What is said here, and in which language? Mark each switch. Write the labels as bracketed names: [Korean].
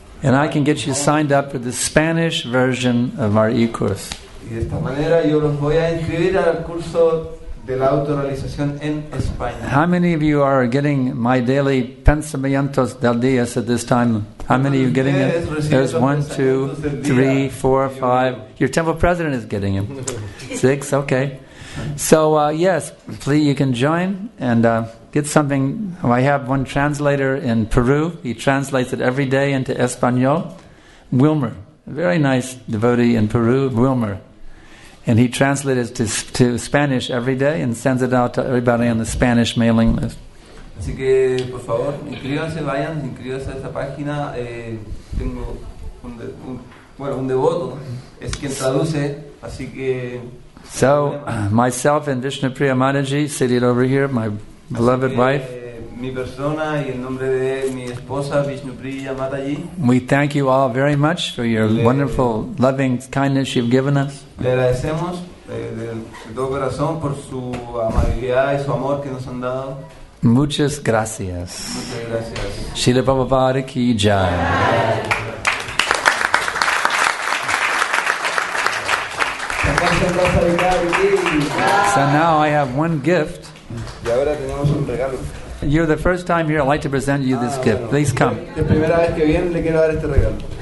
[English] And I can get you signed up for the Spanish version of our e-course. [Spanish] Y de esta manera yo los voy a inscribir al curso de la autorrealización en España. [English] How many of you are getting my daily [Spanish] pensamientos del día [English] at this time? How many are you getting it? There's 1, 2, 3, 4, 5. Your temple president is getting it. 6, okay. So, yes, please, you can join and get something. I have one translator in Peru. He translates it every day into Espanol. Wilmer, a very nice devotee in Peru, Wilmer. And he translates it to Spanish every day and sends it out to everybody on the Spanish mailing list. [Spanish] Así que, por favor, inscríbanse a esta página. Tengo un devoto, es quien traduce, así que... [English] So, myself and Vishnupriya Mataji, seated over here, my beloved wife. [Spanish] Mi persona y el nombre de mi esposa, Vishnupriya Mataji. [English] We thank you all very much for your wonderful, loving kindness you've given us. [Spanish] Le agradecemos de todo corazón por su amabilidad y su amor que nos han dado. Muchas gracias. Muchas gracias. [English] Srila Prabhupada ki jai. So now I have one gift. [Spanish] Y ahora tenemos un regalo. [English] You're the first time here. I'd like to present you this gift. Bueno. Please come. [Spanish] Es la primera vez que viene, le quiero dar este regalo.